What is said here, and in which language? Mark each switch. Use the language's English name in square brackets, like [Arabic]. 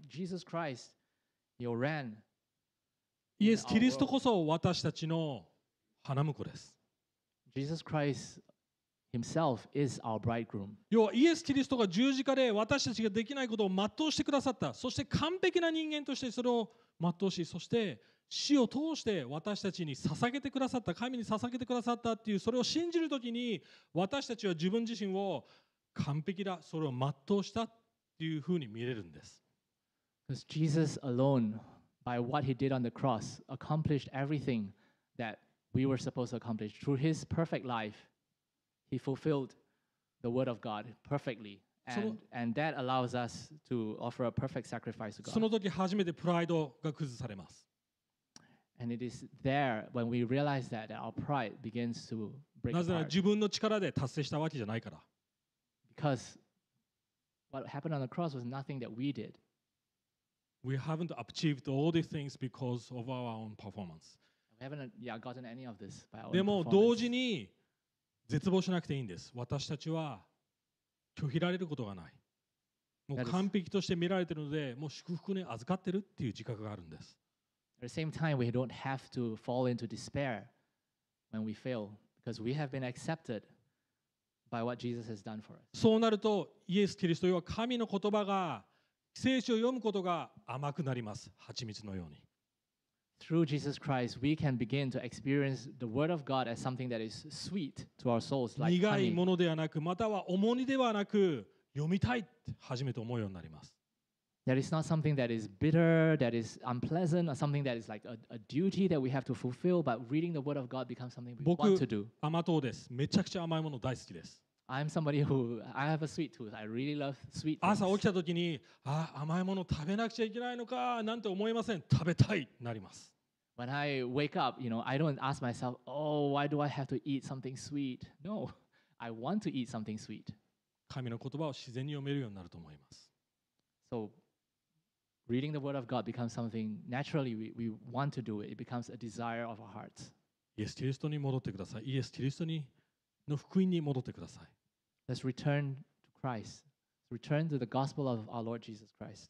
[English] Jesus Christ, he ran. [Japanese] イエス・キリストこそ私たちの花婿です。 [English] Jesus Christ himself is our bridegroom. [Japanese] 要はイエス・キリストが十字架で私たちができないことを全うしてくださった。そして完璧な人間としてそれを全うし、そして死を通して私たちに捧げてくださった、神に捧げてくださったっていう、それを信じるときに私たちは自分自身を完璧だ、それを全うしたっていうふうに見れるんです。 [English] Because Jesus alone, by what he did on the cross, accomplished everything that we were supposed to accomplish. Through his perfect life, he fulfilled the word of God perfectly. And that allows us to offer a perfect sacrifice to God. [Japanese] その時初めてプライドが崩されます。 [English] And it is there when we realize that our pride begins to break apart. [Japanese] なぜなら自分の力で達成したわけじゃないから。 [English] Because what happened on the cross was nothing that we did. We haven't achieved all these things because of our own performance. We haven't gotten any of this by our own [Japanese] でも同時に絶望しなくていいんです。私たちは拒否られることがない。もう完璧として見られているので、もう祝福に預かってるっていう自覚があるんです。 [English] At the same time, we don't have to fall into despair when we fail because we have been accepted by what Jesus has done for us. [Japanese] そうなると、イエス・キリスト、要は神の言葉が、聖書を読むことが甘くなります。蜂蜜のように。 [English] Through Jesus Christ, we can begin to experience the Word of God as something that is sweet to our souls, like honey. [Japanese] 苦いものではなく、または重荷ではなく、読みたいって初めて思うようになります。 [English] That is not something that is bitter, that is unpleasant, or something that is like a duty that we have to fulfill, but reading the word of God becomes something we want to do. [Japanese] 僕、甘党です。めちゃくちゃ甘いもの大好きです。 [English] I'm somebody who, I have a sweet tooth. I really love sweet things. [Japanese] 朝起きた時に、あ、甘いもの食べなくちゃいけないのか、なんて思いません。食べたい、なります。 [English] When I wake up, you know, I don't ask myself, oh, why do I have to eat something sweet? No, I want to eat something sweet. [Japanese] 神の言葉を自然に読めるようになると思います。 [English] So,Reading the word of God becomes something naturally we want to do. It becomes a desire of our hearts. [Japanese] イエス・キリストに戻ってください。イエス・キリストにの福音に戻ってください。 [English] Let's return to Christ. Return to the gospel of our Lord Jesus Christ.